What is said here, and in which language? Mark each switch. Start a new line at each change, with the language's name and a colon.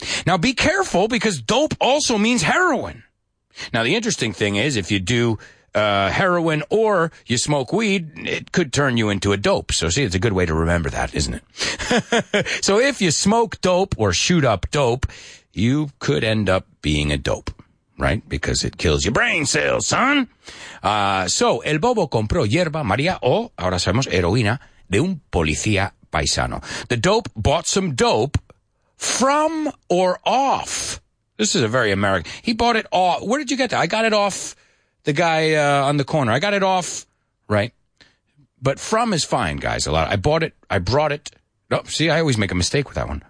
English: Now, be careful, because dope also means heroin. Now, the interesting thing is, if you do heroin or you smoke weed, it could turn you into a dope. So, see, it's a good way to remember that, isn't it? So, if you smoke dope or shoot up dope, you could end up being a dope, right? Because it kills your brain cells, son.
Spanish: So, el bobo compró hierba, María, o, ahora sabemos, heroína, de un policía paisano.
English: The dope bought some dope from or off. This is a very American. He bought it off. Where did you get that? I got it off the guy on the corner. I got it off, right? But from is fine, guys. A lot. I bought it. I brought it. Oh, see, I always make a mistake with that one.